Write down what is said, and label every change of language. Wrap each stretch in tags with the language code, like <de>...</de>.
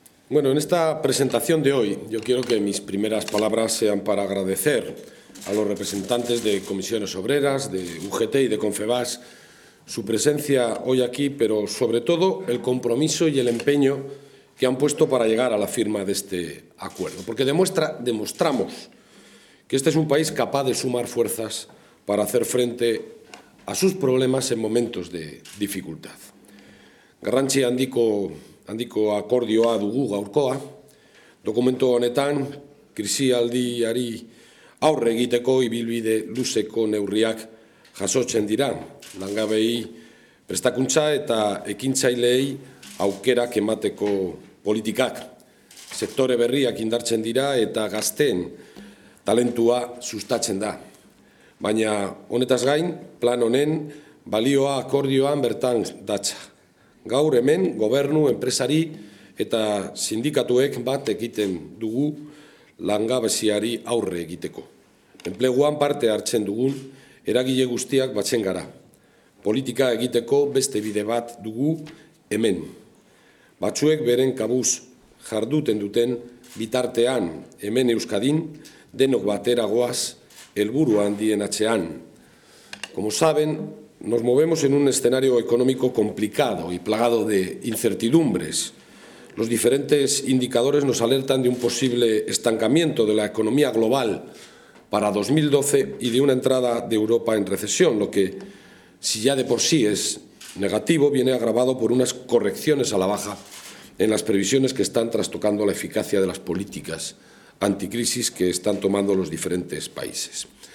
<es>Bueno, en esta presentación de hoy, yo quiero que mis primeras palabras sean para agradecer a los representantes de Comisiones Obreras, de UGT y de Confebask su presencia hoy aquí, pero sobre todo el compromiso y el empeño que han puesto para llegar a la firma de este acuerdo. Porque demostramos que este es un país capaz de sumar fuerzas para hacer frente a sus problemas en momentos de dificultad.</es> <eu>Garrantzi handiko akordioa dugu gaurkoa, dokumentu honetan krisialdiari aurre egiteko ibilbide luzeko neurriak jasotzen dira, langabei prestakuntza eta ekintzaileei aukerak emateko politikak, sektore berriak indartzen dira eta gazteen talentua sustatzen da. Baina honetaz gain, plan honen balioa akordioan bertan datza. Gaur hemen gobernu, enpresari eta sindikatuek bat egiten dugu langabeziari aurre egiteko. Enpleguan parte hartzen dugun eragile guztiak batzen gara. Politika egiteko beste bide bat dugu hemen. Batzuek beren kabuz jarduten duten bitartean hemen Euskadin denok batera goaz helburu handien atzean.</eu> <es>Como saben, nos movemos en un escenario económico complicado y plagado de incertidumbres. Los diferentes indicadores nos alertan de un posible estancamiento de la economía global para 2012 y de una entrada de Europa en recesión, lo que, si ya de por sí es negativo, viene agravado por unas correcciones a la baja en las previsiones que están trastocando la eficacia de las políticas anticrisis que están tomando los diferentes países.</es>